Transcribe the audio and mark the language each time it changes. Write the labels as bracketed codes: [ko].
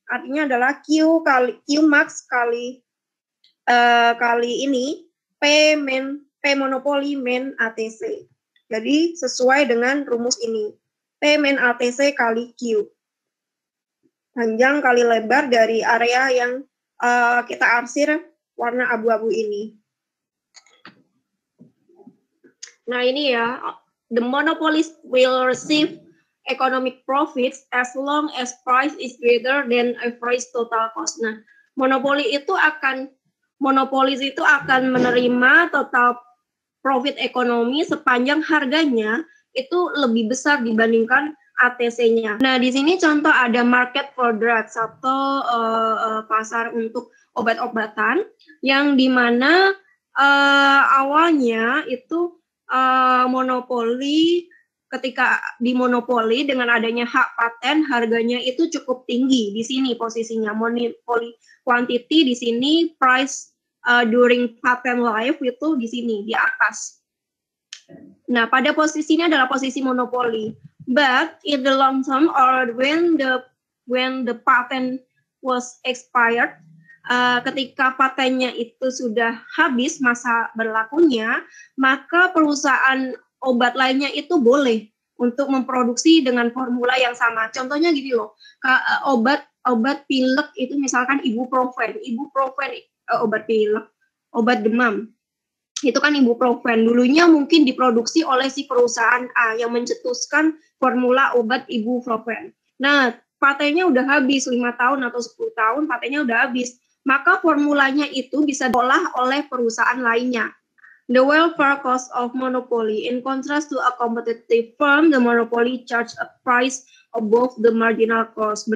[id] Artinya adalah Q kali Q max kali kali ini P min P monopoli min ATC. Jadi sesuai dengan rumus ini. P min ATC kali Q. Panjang kali lebar dari area yang kita arsir warna abu-abu ini. Nah, ini ya, [en] the monopolist will receive economic profits as long as price is greater than average total cost. [id] Nah, monopolis itu akan menerima total profit ekonomi sepanjang harganya itu lebih besar dibandingkan ATC-nya. Nah, di sini contoh ada market for drugs atau pasar untuk obat-obatan yang di mana awalnya itu monopoli, ketika dimonopoli dengan adanya hak paten, harganya itu cukup tinggi di sini posisinya. Monopoli quantity di sini, [en] price during patent life [id] itu di sini, di atas. Nah, pada posisinya adalah posisi monopoli. [en] But in the long term or when the patent was expired, [id] ketika patennya itu sudah habis masa berlakunya, maka perusahaan obat lainnya itu boleh untuk memproduksi dengan formula yang sama. Contohnya gini loh, obat pilek itu misalkan ibuprofen obat pilek, obat demam. Itu kan ibuprofen, dulunya mungkin diproduksi oleh si perusahaan A yang mencetuskan formula obat ibuprofen. Nah, patennya udah habis 5 tahun atau 10 tahun, patennya udah habis. Maka formulanya itu bisa diolah oleh perusahaan lainnya. [en] The welfare cost of monopoly. In contrast to a competitive firm, the monopoly charge a price above the marginal cost.